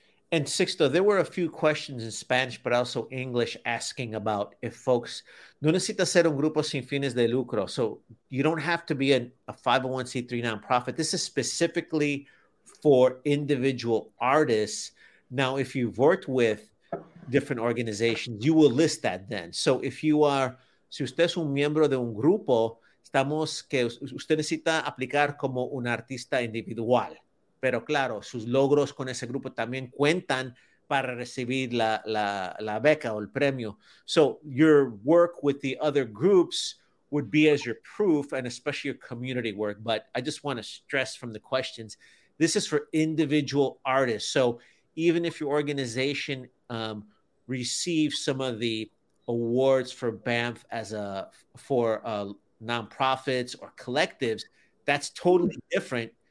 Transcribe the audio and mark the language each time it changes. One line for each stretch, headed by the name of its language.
English: And Sixto, there were a few questions in Spanish, but also English, asking about if folks
Spanish: no necesita ser un grupo sin fines de lucro.
English: So you don't have to be a 501c3 nonprofit. This is specifically for individual artists. Now, if you've worked with different organizations, you will list that then. So if you are,
Spanish: si usted es un miembro de un grupo, estamos que usted necesita aplicar como un artista individual. Pero claro, sus logros con ese grupo también cuentan para recibir la beca o el premio.
English: So your work with the other groups would be as your proof, and especially your community work. But I just want to stress from the questions, this is for individual artists. So even if your organization receives some of the awards for BANF as a for nonprofits or collectives, that's totally different.